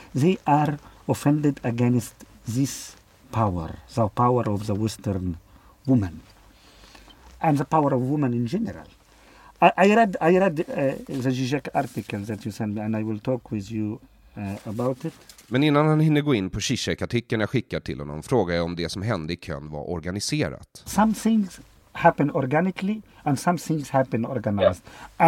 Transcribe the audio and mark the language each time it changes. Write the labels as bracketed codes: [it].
[en] They are offended against this power, the power of the Western woman, and the power of women in general. I read the Zizek article that you sent me, and I will talk with you about it. [sv] Men innan han hinner gå in på Zizek-artikeln jag skickar till honom, frågar jag om det som hände i Köln var organiserat. [en] Some things happen organically and some things happen organized. Yeah.